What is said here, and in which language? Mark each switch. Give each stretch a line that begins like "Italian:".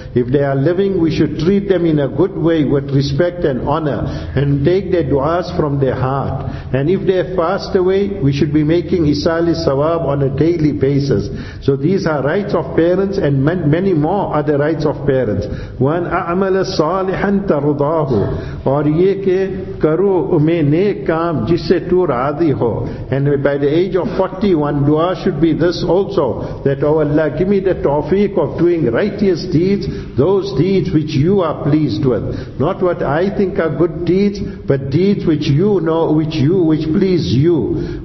English: If they are living, we should treat them in a good way with respect and honor and take their duas from their heart. And if they have passed away, we should be making isali sawab on a daily basis. So these are rights of parents, and many more are the rights of parents.
Arabic: One a'mala salihan tarudahu,
Urdu: or یہ کہ کرو میں نیک کام جس سے تو راضی ہو.
English: And by the age of 40, one dua should be this also, that oh Allah, give me the tawfiq of doing righteous deeds, those deeds which you are pleased with, not what I think are good deeds, but deeds which you know, which please you.